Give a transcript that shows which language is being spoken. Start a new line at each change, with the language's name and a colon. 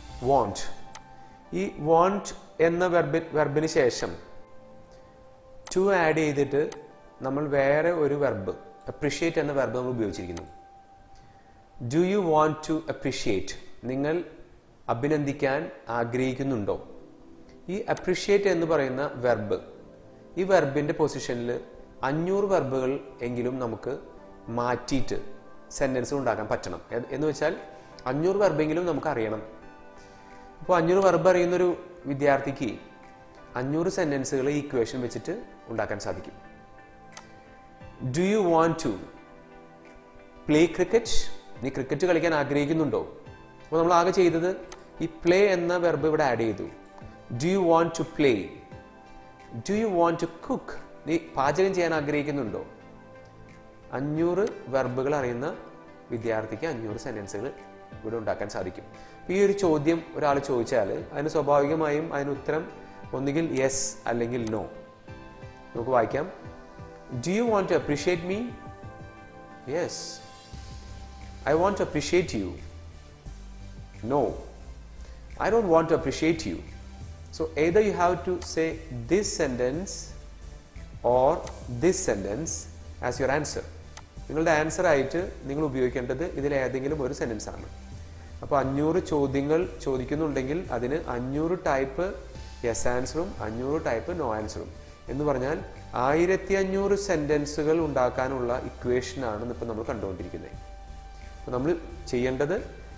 Malayalam: Want, ഈ want എന്ന വെർബിന് ശേഷം ടു ആഡ് ചെയ്തിട്ട് നമ്മൾ വേറെ ഒരു വെർബ് അപ്രീഷിയേറ്റ് എന്ന വെർബ് നമ്മൾ ഉപയോഗിച്ചിരിക്കുന്നു.
English: Do you want to appreciate?
Malayalam: നിങ്ങൾ അഭിനന്ദിക്കാൻ ആഗ്രഹിക്കുന്നുണ്ടോ? ഈ അപ്രീഷിയേറ്റ് എന്ന് പറയുന്ന വെർബ്, ഈ വെർബിൻ്റെ പൊസിഷനിൽ 500 വെർബുകൾ എങ്കിലും നമുക്ക് മാറ്റിയിട്ട് സെൻറ്റൻസ് ഉണ്ടാക്കാൻ പറ്റണം. എന്ന് വെച്ചാൽ 500 വെർബെങ്കിലും നമുക്ക് അറിയണം. ഇപ്പോൾ 500 വെർബ് അറിയുന്നൊരു വിദ്യാർത്ഥിക്ക് 500 സെൻറ്റൻസുകൾ ഈ ഇക്വേഷൻ വെച്ചിട്ട് ഉണ്ടാക്കാൻ സാധിക്കും.
English: Do you want to play cricket?
Malayalam: നീ ക്രിക്കറ്റ് കളിക്കാൻ ആഗ്രഹിക്കുന്നുണ്ടോ? അപ്പോൾ നമ്മൾ ആകെ ചെയ്തത് ഈ പ്ലേ എന്ന വെർബ് ഇവിടെ ആഡ് ചെയ്തു.
English: Do you want to play? Do you want to cook?
Malayalam: നീ പാചകം ചെയ്യാൻ ആഗ്രഹിക്കുന്നുണ്ടോ? 500 വെർബുകൾ അറിയുന്ന വിദ്യാർത്ഥിക്ക് 500 സെൻറ്റൻസുകൾ ഇവിടെ ഉണ്ടാക്കാൻ സാധിക്കും. ഈ ഒരു ചോദ്യം ഒരാൾ ചോദിച്ചാൽ അതിന് സ്വാഭാവികമായും അതിന് ഉത്തരം ഒന്നുകിൽ യെസ് അല്ലെങ്കിൽ നോ. നമുക്ക് വായിക്കാം.
English: Do you want to appreciate me?
Malayalam: Yes.
English: I want to appreciate you. No. I don't want to appreciate you. So either you have to say this sentence or this sentence as your answer.
Malayalam: നിങ്ങളുടെ answer ആയിട്ട് നിങ്ങൾ ഉപയോഗിക്കേണ്ടത് ഇതിൽ ഏതെങ്കിലും ഒരു sentence ആണ്. അപ്പോൾ 500 ചോദ്യങ്ങൾ ചോദിക്കുന്നുണ്ടെങ്കിൽ അതിന് 500 ടൈപ്പ് യെസ് ആൻസറും 500 ടൈപ്പ് നോ ആൻസറും എന്ന് പറഞ്ഞാൽ 1500 സെൻറ്റൻസുകൾ ഉണ്ടാക്കാനുള്ള ഇക്വേഷനാണ് ഇപ്പോൾ നമ്മൾ കണ്ടുകൊണ്ടിരിക്കുന്നത്. അപ്പോൾ നമ്മൾ ചെയ്യേണ്ടത്